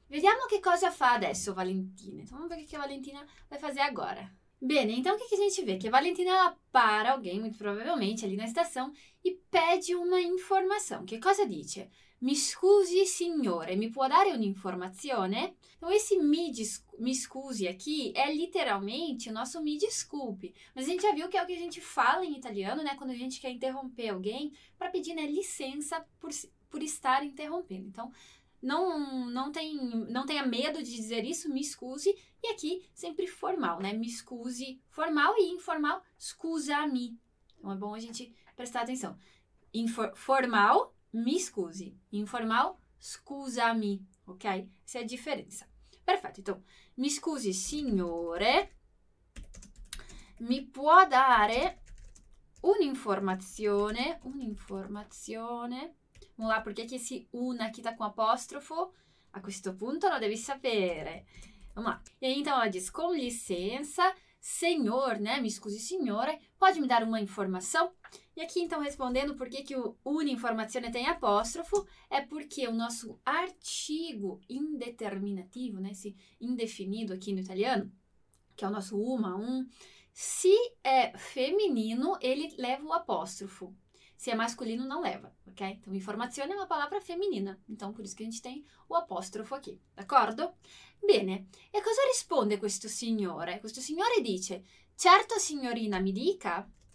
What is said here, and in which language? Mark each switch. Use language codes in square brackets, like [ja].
[it] Vediamo che cosa fa adesso Valentina. [pt] Então, vamos ver o que a Valentina vai fazer agora. Bene, então o que a gente vê? Que a Valentina ela para alguém, muito provavelmente, ali na estação, e pede uma informação. [it] Que cosa dice? Mi scusi, signore, mi può dare un'informazione? [pt] Então, esse mi scusi aqui é literalmente o nosso mi desculpe. Mas a gente já viu que é o que a gente fala em italiano, né? Quando a gente quer interromper alguém para pedir, né, licença por estar interrompendo. Então, não tenha medo de dizer isso, mi scusi. E aqui, sempre formal, né? Mi scusi, formal e informal, scusami. Então, é bom a gente prestar atenção. Formal. Mi scusi, informal, scusami, ok? Essa é a diferença. Perfeito, então, [it] mi scusi, signore, mi può dare un'informazione, un'informazione. [pt] Vamos lá, porque que esse un aqui tá com apostrofo? [it] A questo punto lo devi sapere. [pt] Vamos lá. E aí, então, ela diz, com licença, senhor, né? [it] Mi scusi, signore, [pt] pode me dar uma informação? E aqui, então, respondendo por que que o un'informazione tem apóstrofo, é porque o nosso artigo indeterminativo, né, esse indefinido aqui no italiano, que é o nosso um, se é feminino, ele leva o apóstrofo. Se é masculino, não leva, ok? Então, informazione é uma palavra feminina. Então, por isso que a gente tem o apóstrofo aqui, d'accordo? [it] Bene, e cosa risponde questo signore? Questo signore dice: certo, signorina, mi dica.